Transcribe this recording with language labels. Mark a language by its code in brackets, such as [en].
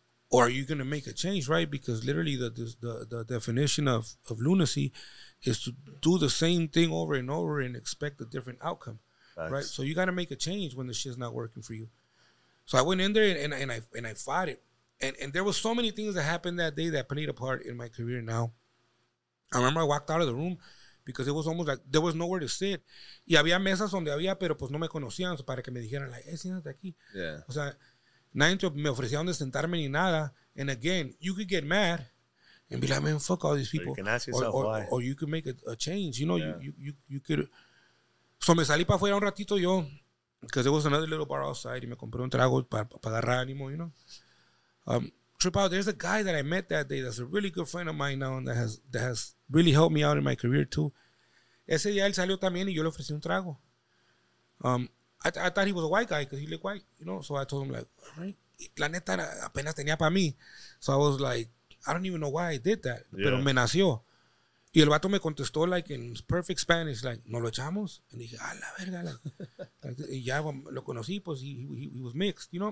[en] Or are you going to make a change, right? Because literally the definition of lunacy is to do the same thing over and over and expect a different outcome, right? So you got to make a change when the shit's not working for you. So I went in there, and I fought it. And there were so many things that happened that day that played a part in my career now. I remember I walked out of the room because it was almost like there was nowhere to sit. [es] Y había mesas donde había, pero pues no me conocían, so para que me dijeran, like, siéntate aquí. [en] Yeah. [es] O sea, nadie me ofrecía donde sentarme ni nada. [en] And again, you could get mad and be like, man, fuck all these people. Or you can ask yourself why. Or you could make a change. You know, you could. So [es] me salí para afuera un ratito yo, [en] because there was another little bar outside, [es] y me compré un trago para agarrar ánimo, [en] you know. Trip out. There's a guy that I met that day that's a really good friend of mine now, and that has really helped me out in my career too. [es] Ese día él salió también y yo le ofrecí un trago. [en] I thought he was a white guy because he looked white, you know. So I told him, like, all right. [es] La neta apenas tenía para mí. [en] So I was like, I don't even know why I did that. [es] Yeah. Pero me nació. Y el vato me contestó, like, [en] in perfect Spanish, [es] like, ¿no lo echamos? And dije, a la verga. Like, y ya lo conocí, pues [en] he was mixed, you know.